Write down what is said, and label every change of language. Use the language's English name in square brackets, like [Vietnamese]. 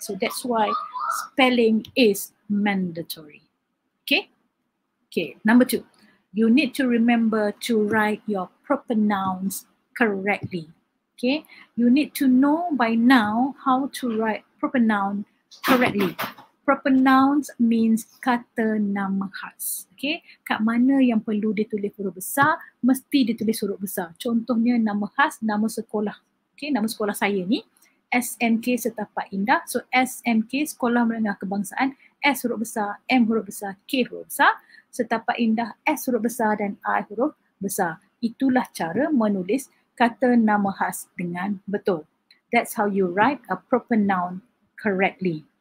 [English] So that's why spelling is mandatory. Okay? Okay, number two, you need to remember to write your proper nouns correctly. Okay? You need to know by now how to write proper noun correctly. Proper nouns means [Malay] kata nama khas. [English] Okay? [Malay] Kat mana yang perlu ditulis huruf besar, mesti ditulis huruf besar. Contohnya nama khas, nama sekolah. Okay, nama sekolah saya ni SMK Setapak Indah. So SMK Sekolah Menengah Kebangsaan, S huruf besar, M huruf besar, K huruf besar, Setapak Indah S huruf besar dan I huruf besar. Itulah cara menulis kata nama khas dengan betul. [English] That's how you write a proper noun correctly.